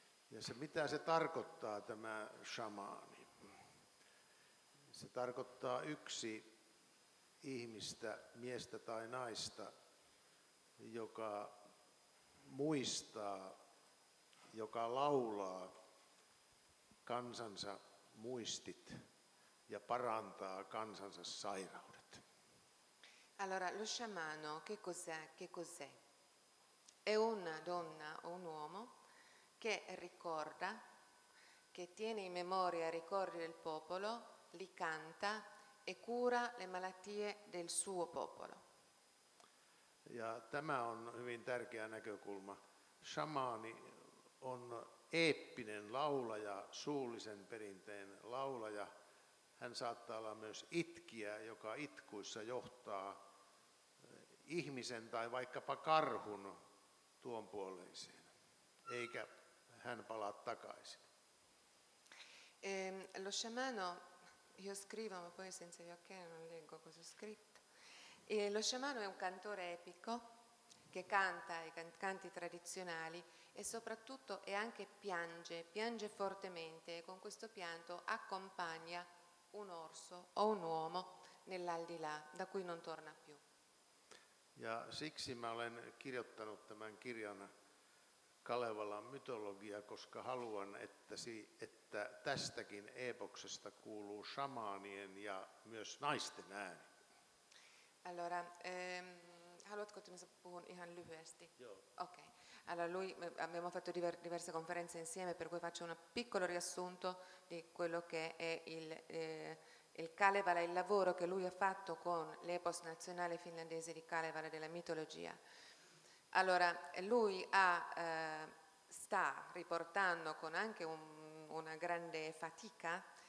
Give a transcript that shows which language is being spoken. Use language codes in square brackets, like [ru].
[fi] Ja se, mitä se tarkoittaa tämä shamani? Se tarkoittaa yksi ihmistä, miestä tai naista, joka muistaa, joka laulaa kansansa muistit ja parantaa kansansa sairaudet. [it] Allora, lo sciamano, che cos'è? Che cos'è? È una donna o un uomo che ricorda, che tiene in memoria i ricordi del popolo, li canta e cura le malattie del suo popolo. [fi] Ja tämä on hyvin tärkeä näkökulma. Shamaani on eeppinen laulaja, suullisen perinteen laulaja. Hän saattaa olla myös itkijä, joka itkuissa johtaa ihmisen tai vaikkapa karhun tuon puoleiseen, eikä hän palaa takaisin. [it] Lo sciamano, io scrivo, ma poi senza gli occhiali non leggo cosa ho scritto. Lo sciamano è un cantore epico che canta i canti tradizionali e soprattutto è anche piange fortemente e con questo pianto accompagna un orso o un uomo nell'aldilà da cui non torna più. [fi] Ja siksi mä olen kirjoittanut tämän kirjan Kalevalan mytologia, koska haluan, että tästäkin epoksesta kuuluu shamaanien ja myös naisten ääni. Allora, haluatko, että puhun ihan lyhyesti? Joo. Okei. Okay. [it] Allora, abbiamo fatto diverse conferenze insieme, per cui faccio un piccolo riassunto di quello che è il Kalevala, il lavoro che lui ha fatto con l'epos nazionale finlandese di Kalevala della mitologia. Allora, lui sta riportando con anche una grande fatica